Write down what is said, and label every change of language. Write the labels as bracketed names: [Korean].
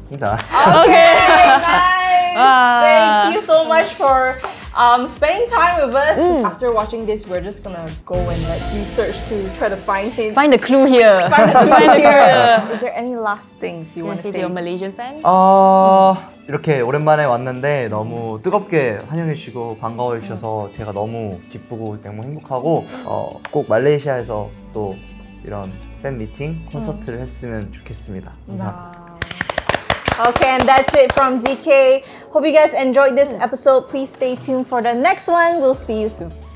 [English] Okay, nice! Thank you so much for spending time with us. After watching this, we're just gonna go and like research to try to find him. Find a clue here. Find a clue here. Is there any last things you want to say to your Malaysian fans? [Korean] 이렇게 오랜만에 왔는데 너무 뜨겁게 환영해 주시고 반가워해 주셔서 제가 너무 기쁘고 너무 행복하고 꼭 말레이시아에서 또 이런 팬 미팅 콘서트를 했으면 좋겠습니다. 감사합니다. [English] Okay, and that's it from DK. Hope you guys enjoyed this episode. Please stay tuned for the next one. We'll see you soon.